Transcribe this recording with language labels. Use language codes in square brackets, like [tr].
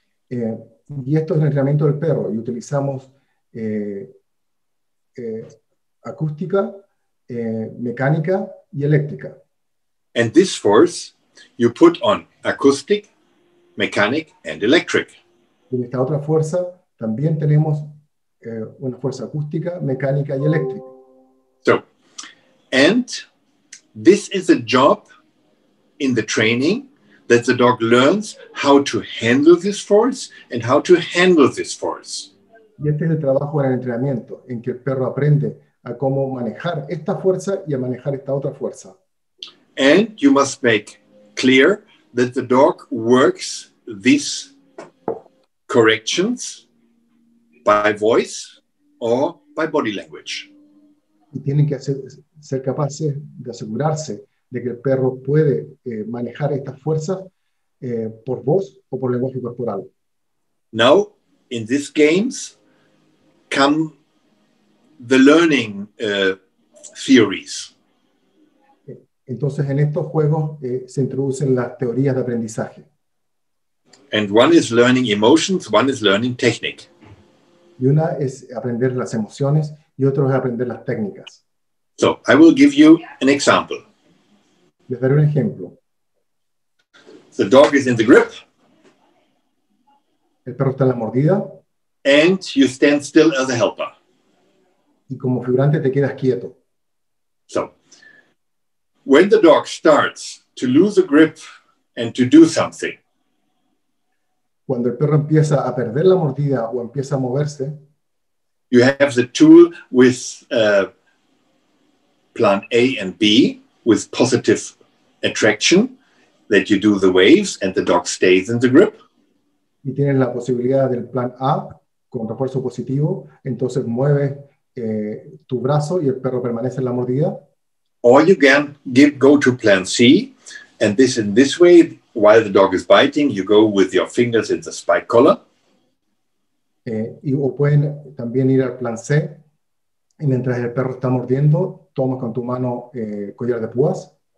[es] Y esto es el entrenamiento del perro, y utilizamos acústica, mecánica, y eléctrica. [en] And this force, you put on acoustic, mechanic, and electric. [es] En esta otra fuerza, también tenemos una fuerza acústica, mecánica y eléctrica. [en] So, and this is a job in the training that the dog learns how to handle this force and how to handle this force. [es] Y este es el trabajo en el entrenamiento, en que el perro aprende a cómo manejar esta fuerza y a manejar esta otra fuerza. [en] And you must make clear that the dog works this corrections by voice or by body language. [es] Y tienen que ser capaces de asegurarse de que el perro puede manejar estas fuerzas por voz o por lenguaje corporal. [en] Now, in these games come the learning theories. [es] Entonces, en estos juegos se introducen las teorías de aprendizaje. [en] And one is learning emotions, one is learning technique. [es] Y una es aprender las emociones y otro es aprender las técnicas. [en] So, I will give you an example. [es] Les daré un ejemplo. [en] The dog is in the grip. [es] El perro está en la mordida. [en] And you stand still as a helper. [es] Y como figurante te quedas quieto. [en] So, when the dog starts to lose a grip and to do something, [es] cuando el perro empieza a perder la mordida o empieza a moverse, [en] you have the tool with plan A and B with positive attraction that you do the waves and the dog stays in the grip. [es] Y tienes la posibilidad del plan A con refuerzo positivo, entonces mueves tu brazo y el perro permanece en la mordida. [en] Or you can go to plan C, and this in this way, while the dog is biting, you go with your fingers in the spike collar. [es] O pueden también ir al plan C, y mientras el perro está mordiendo, tomas con tu mano collar de púas.